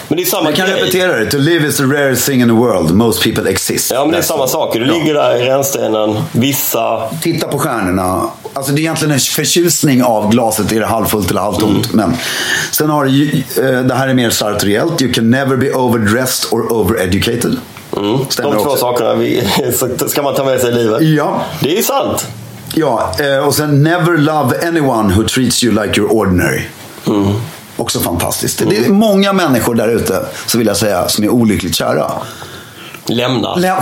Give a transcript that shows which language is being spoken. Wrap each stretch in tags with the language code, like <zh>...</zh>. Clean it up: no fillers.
<sv>Men det är samma grej. Jag kan repetera det.</sv> <en>To live is the rarest thing in the world. Most people exist.</en> <sv>Ja, men det är samma sak. Du ligger där i renstenen, vissa... Titta på stjärnorna. Alltså det är egentligen en förtjusning av glaset, är det halvfullt eller halvtomt. Mm. Men sen har du, det här är mer sartoriellt.</sv> <en>You can never be overdressed or overeducated.</en> <sv>Mm. De två också. Sakerna vi, ska man ta med sig i livet. Ja. Det är sant. Ja, och sen</sv> <en>never love anyone who treats you like you're ordinary. Mm.</en> <sv>Också fantastiskt. Mm. Det är många människor där ute, så vill jag säga, som är olyckligt kära. Lämna.</sv>